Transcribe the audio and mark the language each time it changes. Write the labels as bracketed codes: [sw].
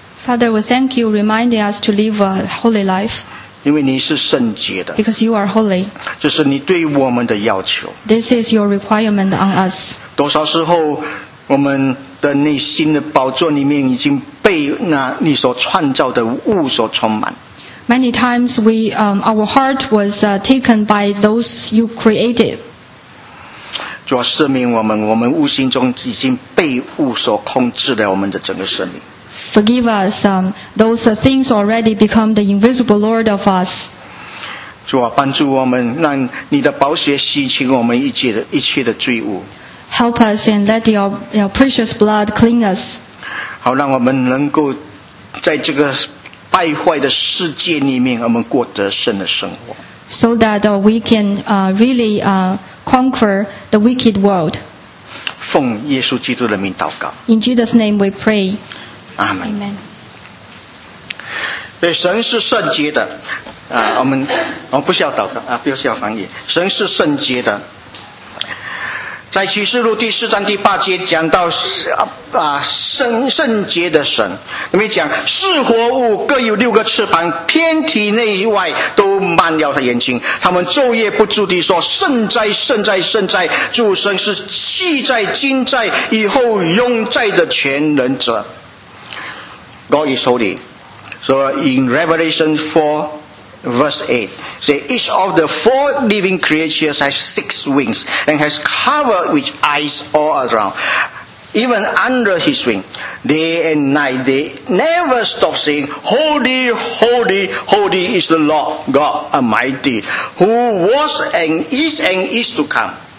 [en] Father, we thank you reminding us to live a holy life. [zh] 因为你是圣洁的。 [en] Because you are holy. [zh] 这是你对我们的要求。 [en] This is your requirement on us. [zh] 多少时候我们的内心的宝座里面已经被那你所创造的物所充满。 [en] Many times we, our heart was taken by those you created. [zh] 主啊，赦免我们，我们无形中已经被物所控制了我们的整个生命。 [en] Forgive us, those things already become the invisible Lord of us. [zh] 主啊，帮助我们，让你的宝血洗清我们一切的罪恶。 [en] Help us and let your precious blood clean us. [zh] 好，让我们能够在这个败坏的世界里面，我们过得胜的生活。 [en] So that we can really conquer the wicked world. [zh] 奉耶稣基督的名祷告。 [en] In Jesus' name we pray. Amen. Amen. [zh] 对，神是圣洁的。我们不需要祷告啊，不需要翻译。神是圣洁的。在启示录第四章第八节讲到圣洁的神，里面讲四活物各有六个翅膀，遍体内外都满了他眼睛，他们昼夜不住地说：圣哉圣哉圣哉，主神是昔在今在以后永在的全能者。 [en] God is holy. So in Revelation 4Verse 8, say, each of the four living creatures has six wings and has covered with eyes all around. Even under his wing, day and night, they never stop saying, Holy, holy, holy is the Lord God Almighty, who was and is to come.